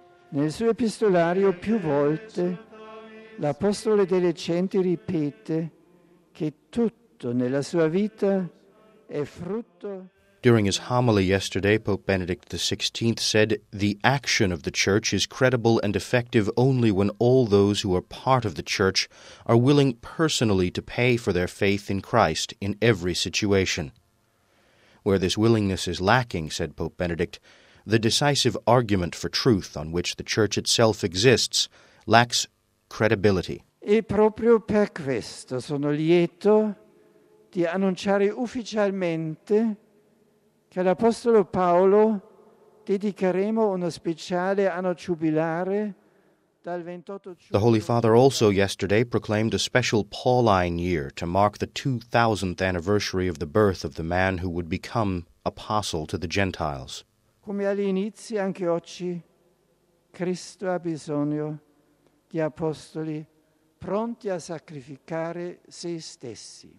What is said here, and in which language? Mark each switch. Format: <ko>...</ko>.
<it>Nel suo epistolario più volte l'Apostolo delle Genti ripete che tutto nella sua vita è frutto.</it> <en>During his homily yesterday, Pope Benedict XVI said, "The action of the Church is credible and effective only when all those who are part of the Church are willing personally to pay for their faith in Christ in every situation. Where this willingness is lacking," said Pope Benedict, "the decisive argument for truth on which the Church itself exists lacks credibility."</en> <it>E proprio per questo sono lieto di annunciare ufficialmente che l'Apostolo Paolo dedicheremo uno speciale anno giubilare dal 28 giugno.</it> <en>The Holy Father also yesterday proclaimed a special Pauline year to mark the 2000th anniversary of the birth of the man who would become apostle to the Gentiles.</en> <it>Come all'inizio, anche oggi, Cristo ha bisogno di apostoli pronti a sacrificare se stessi.</it>